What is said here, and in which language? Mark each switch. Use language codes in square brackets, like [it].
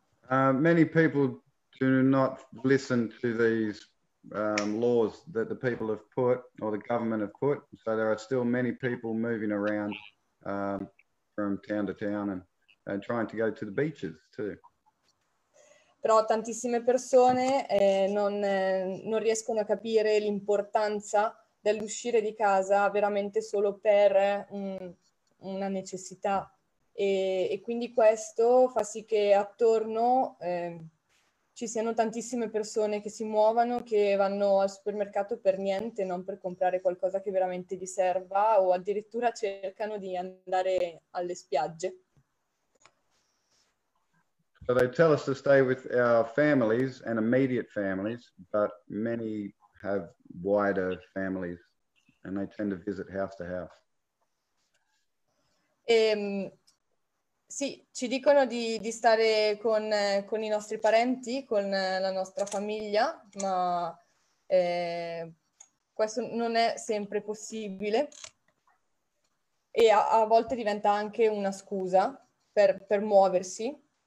[en] Many people do not listen to these laws that the people have put, or the government have put. So there are still many people moving around from town to town and trying to go to the beaches too. [it] Però tantissime persone non riescono a capire l'importanza dell'uscire di casa veramente solo per una necessità. E quindi questo fa sì che attorno ci siano tantissime persone che si muovano, che vanno al supermercato per niente, non per comprare qualcosa che veramente gli serva, o addirittura cercano di andare alle spiagge. [en] So they tell us to stay with our families and immediate families, but many have wider families and they tend to visit house to house. [it] Sì, ci dicono di stare con i nostri parenti, con la nostra famiglia, ma questo non è sempre possibile, e a volte diventa anche una scusa per muoversi.